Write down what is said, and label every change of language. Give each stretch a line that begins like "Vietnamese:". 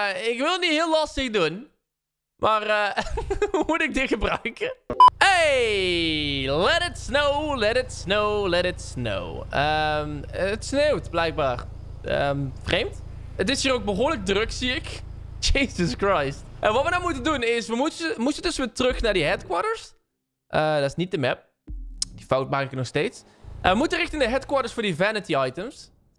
Dutch: Ik wil het niet heel lastig doen. Maar moet ik dit gebruiken?
English: Hey, let it snow, let it snow, let it snow.
Dutch: Het sneeuwt blijkbaar. Vreemd. Het is hier ook behoorlijk druk, zie ik. Jesus Christ. En wat we nou moeten doen is, we moesten dus weer terug naar die headquarters. Dat is niet de map. Die fout maak ik nog steeds. We moeten richting de headquarters voor die vanity items.